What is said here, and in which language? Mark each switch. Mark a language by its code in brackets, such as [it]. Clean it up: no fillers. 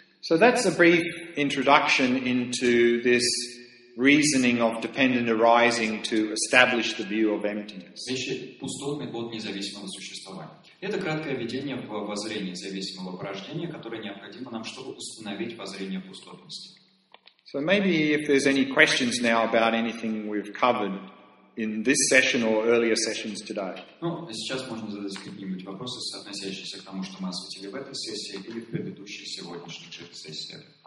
[en] So that's a brief introduction into this reasoning of dependent arising to establish the view of emptiness. [ru] Вещи пустотны от независимого существования. Это краткое введение в воззрение зависимого порождения, которое необходимо нам, чтобы установить воззрение пустотности. [en] So maybe if there's any questions now about anything we've covered in this session or earlier sessions today. [ru] Ну, сейчас можно задать какие-нибудь вопросы, относящиеся к тому, что мы осветили в этой сессии или в предыдущей сегодняшней сессии.